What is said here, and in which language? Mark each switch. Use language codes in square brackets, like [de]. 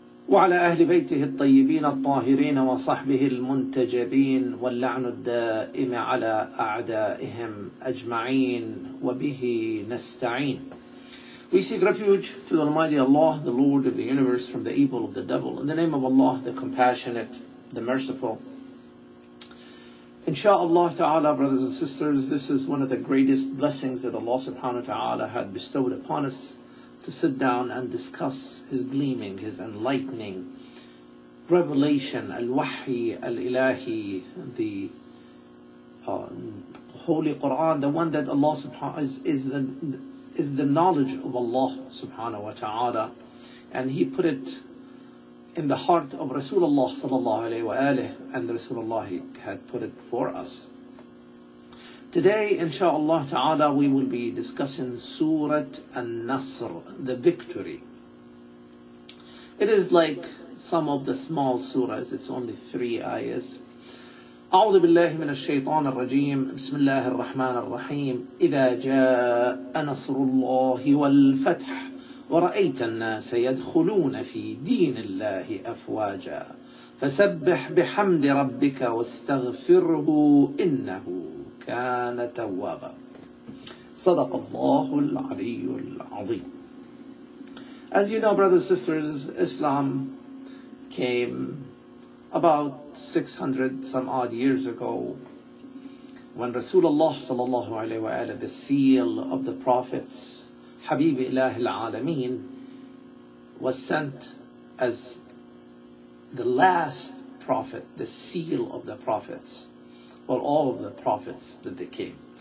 [ar] وعلى أهل بيته الطيبين الطاهرين وصحبه المنتجبين، واللعن الدائم على أعدائهم أجمعين، وبه نستعين. [en] We seek refuge to the Almighty Allah, the Lord of the universe, from the evil of the devil. In the name of Allah, the compassionate, the merciful. Insha'Allah ta'ala, brothers and sisters, this is one of the greatest blessings that Allah subhanahu wa ta'ala had bestowed upon us, to sit down and discuss his gleaming, his enlightening revelation, [ar] al-wahy al-ilahi, [en] the holy Quran, the one that Allah is the knowledge of Allah subhanahu wa ta'ala, and he put it in the heart of Rasulullah sallallahu alayhi wa alihi, and Rasulullah had put it for us. Today, insha'Allah ta'ala, we will be discussing Surah An-Nasr, the victory. It is like some of the small surahs, it's only three ayahs. [ar] أعوذ بالله من الشيطان الرجيم. بسم الله الرحمن الرحيم. إذا جاء نصر الله والفتح ورأيت الناس يدخلون في دين الله أفواجا فسبح بحمد ربك واستغفره إنه كان توابا صدق الله العلي العظيم. [en] As you know, brothers and sisters, Islam came about 600 some odd years ago, when Rasulullah sallallahu alayhi wa alayhi, the seal of the prophets, Habib ilah al-alameen, was sent as the last prophet, the seal of the prophets, for all of the prophets that they came.